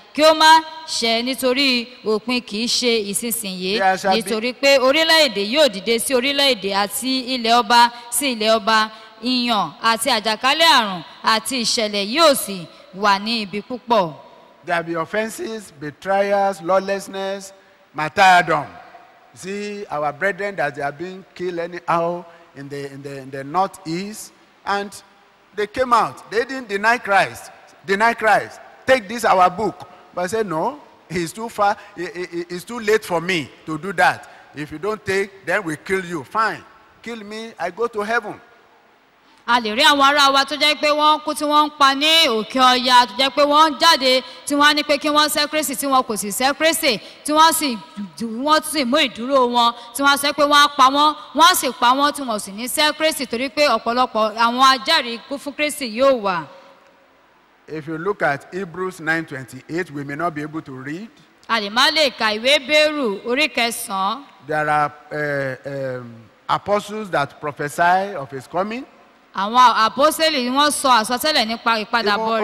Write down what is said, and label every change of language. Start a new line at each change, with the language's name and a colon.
Yoruba: Kí ó má ṣe nítorí òpin kì í ṣe ìsinsìnyí nítorí pé orílẹ̀-èdè yóò dìde sí orílẹ̀-èdè àti ilẹ̀ ọba sí ilẹ̀ ọba iyàn àti àjàkálẹ̀ àrùn àti ìṣẹ̀lẹ̀ yóò sì wà ní ibi púpọ̀.
English: There be offences, betrayals, lawlessness, martyrdom. See our brethren that they have been killed anyhow in the northeast, and they came out. They didn't deny Christ. Deny Christ. Take this, our book. But I say, no, he's too far. It's too late for me to do that. If you don't take, then we kill you. Fine. Kill me, I go to heaven.
Yoruba: A lè rí àwọn ará wa tó jẹ́ pé wọ́n kú tí wọ́n ń pa ní òkè ọya tó jẹ́ pé wọ́n jáde tí wọ́n á ní pé kí wọ́n sẹ́ Kristi tí wọn kò sì sẹ́ Kristi tí wọ́n sì mú ìdúró wọn tí wọ́n sẹ́ pé wọ́n á pa wọ́n wọ́n sì pa wọ́n tí wọ́n sì ní sẹ́ Kristi torí pé ọ̀pọ̀lọpọ̀ àwọn ajẹ́rìí kú fún Kristi yóò wà.
English: If you look at Hebrews 9:28, we may not be able to read.
Yoruba: A lè má lè ka ìwé Bẹ́rù orí kẹsàn-án.
English: There are apostles that prophesy of his coming.
Yoruba: Àwọn apostle ni wọ́n sọ àsọtẹ́lẹ̀ nípa ìpadàbọ̀ rẹ̀.